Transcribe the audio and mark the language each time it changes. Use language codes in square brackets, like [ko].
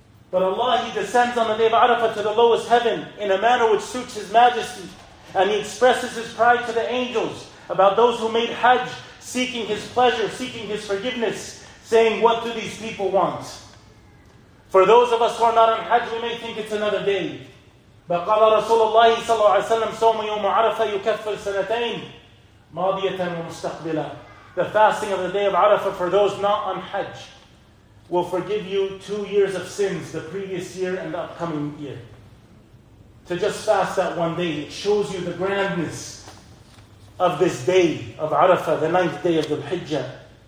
[en] But Allah, He descends on the day of Arafah to the lowest heaven in a manner which suits His majesty. And He expresses His pride to the angels about those who made Hajj, seeking His pleasure, seeking His forgiveness, saying, what do these people want? For those of us who are not on Hajj, we may think it's another day. [ar] But قال رسول الله صلى الله عليه وسلم صوم يوم عرفة يكفر سنتين ماضية ومستقبلة. [en] The fasting of the day of Arafah for those not on Hajj will forgive you 2 years of sins, the previous year and the upcoming year. to just fast that one day. It shows you the grandness of this day of Arafah, the ninth day of Dhul-Hijjah.